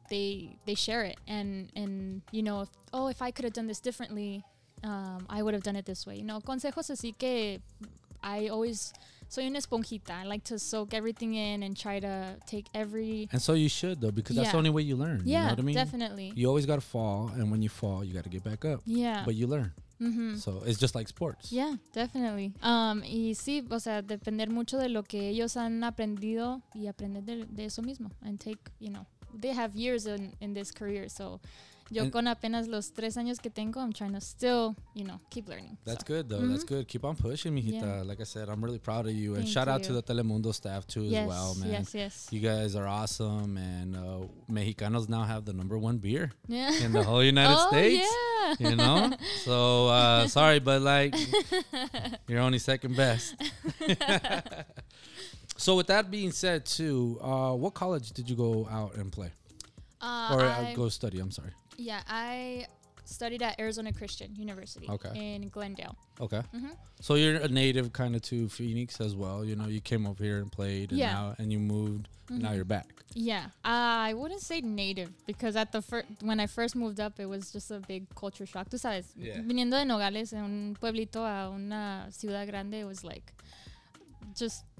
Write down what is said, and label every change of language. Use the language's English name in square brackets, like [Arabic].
[English] They share it. And you know, if I could have done this differently, I would have done it this way. You know, [Spanish] consejos así que [English] I always, [Spanish] soy una esponjita. [English] I like to soak everything in and try to take every... And so you should though, because yeah. that's the only way you learn. Yeah, you know what I mean? Definitely. You always got to fall. And when you fall, you got to get back up. Yeah. But you learn. Mm-hmm. So it's just like sports. Yeah, definitely. [Spanish] Y sí, o sea, depender mucho de lo que ellos han aprendido y aprender de eso mismo. [English] And take, you know, they have years in this career, so... [Spanish] Yo con apenas los 3 años que tengo, [English] I'm trying to still, you know, keep learning. That's good, though. Mm-hmm. That's good. Keep on pushing, mijita. Yeah. Like I said, I'm really proud of you. And shout out to the Telemundo staff, too, yes, as well, man. Yes, yes. You guys are awesome. And Mexicanos now have the number one beer yeah. in the whole United oh, States. Yeah. You know? So, sorry, but, like, you're only second best. So, with that being said, too, what college did you go out and play? I'm sorry. Yeah, I studied at Arizona Christian University okay. in Glendale. Okay. Mm-hmm. So you're a native kind of to Phoenix as well. You know, you came over here and played and, yeah. now, and you moved. Mm-hmm. And now you're back. Yeah. I wouldn't say native because when I first moved up, it was just a big culture shock. [Spanish] Tú sabes, viniendo de Nogales, en un pueblito a una ciudad grande, [English] it was like just...